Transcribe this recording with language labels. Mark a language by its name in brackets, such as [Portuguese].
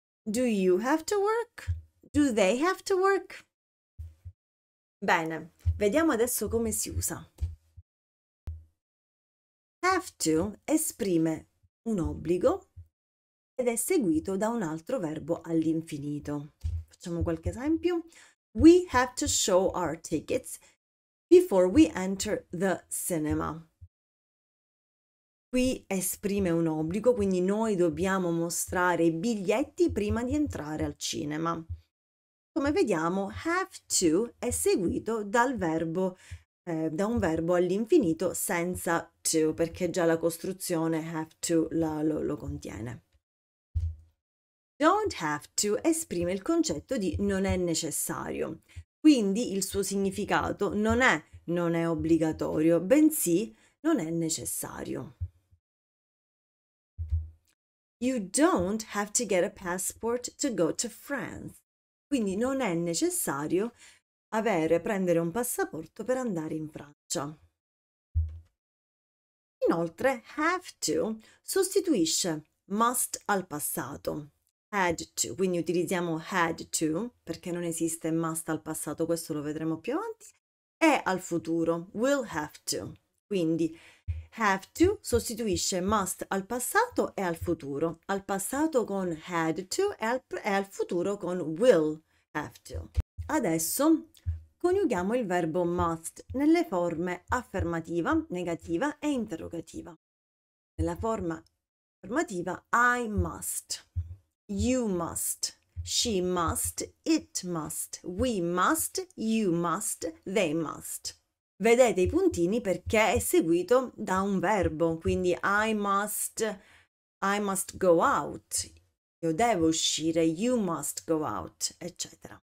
[English] Do you have to work? Do they have to work? [Italian] Bene, vediamo adesso come si usa. Have to esprime un obbligo ed è seguito da un altro verbo all'infinito. Facciamo qualche esempio. [English] We have to show our tickets before we enter the cinema. [Italian] Qui esprime un obbligo, quindi noi dobbiamo mostrare i biglietti prima di entrare al cinema. Come vediamo, have to è seguito dal verbo, da un verbo all'infinito senza to, perché già la costruzione have to lo contiene. Don't have to esprime il concetto di non è necessario. Quindi il suo significato non è obbligatorio, bensì non è necessario. [English] You don't have to get a passport to go to France. [Italian] Quindi non è necessario prendere un passaporto per andare in Francia. Inoltre, have to sostituisce must al passato. Had to, quindi utilizziamo had to perché non esiste must al passato, questo lo vedremo più avanti, e al futuro, will have to. Quindi have to sostituisce must al passato e al futuro, al passato con had to e al futuro con will have to. Adesso coniughiamo il verbo must nelle forme affermativa, negativa e interrogativa. Nella forma affermativa, I must. [English] You must, she must, it must, we must, you must, they must. [Italian] Vedete i puntini perché è seguito da un verbo, quindi [English] I must go out, [Italian] io devo uscire, [English] you must go out, [Italian] eccetera.